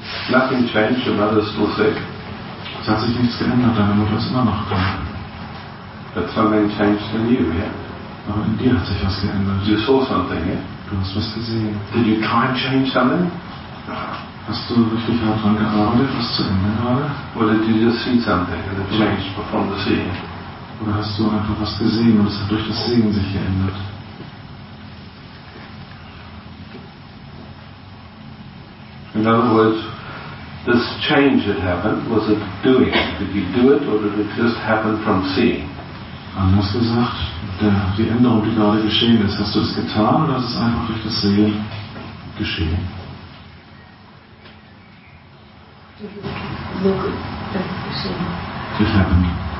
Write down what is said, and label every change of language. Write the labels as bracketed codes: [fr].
[en] Nothing changed, your mother is still safe. [de] Es hat sich nichts geändert, deine Mutter ist immer noch da. [en] But something changed in you, yeah? [de] Aber in dir hat sich was geändert. [en] You saw something, yeah? [de] Du hast was gesehen. [en] Did you try and change something? [de] Hast du richtig hart dran gearbeitet, was zu ändern gerade? [en] Or did you just see something and it changed from the seeing? [de] Oder hast du einfach was gesehen und es hat durch das Sehen sich geändert? [en] In other words, this change that happened, was it doing? Did you do it or did it just happen from seeing? [de] Anders gesagt, die Änderung, die gerade geschehen ist, hast du es getan oder ist es einfach durch das Sehen geschehen? Durch [en] Happen.